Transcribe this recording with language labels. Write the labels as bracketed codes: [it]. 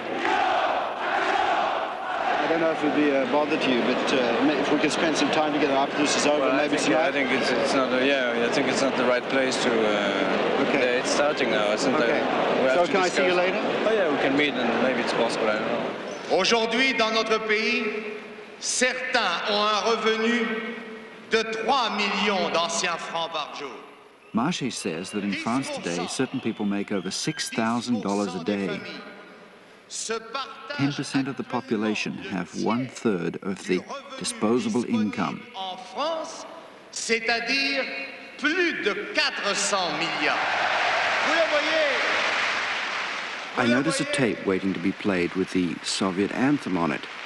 [en] I don't know if it would be a bother to you, but if we could spend some time together after this is over, well, maybe tonight. I think it's not. I think it's not the right place to. Okay. Yeah, it's starting now, isn't it? Okay. So can I see you later? Oh yeah, we can meet and maybe it's possible. I don't know. [fr] Aujourd'hui, dans notre pays, certains ont un revenu de 3 millions d'anciens francs par jour. [en] Marché says that in France today, certain people make over $6,000 a day. 10% of the population have one-third of the disposable income. [fr] En France, c'est-à-dire plus de 400 milliards. Vous le voyez? [en] I notice a tape waiting to be played with the Soviet anthem on it.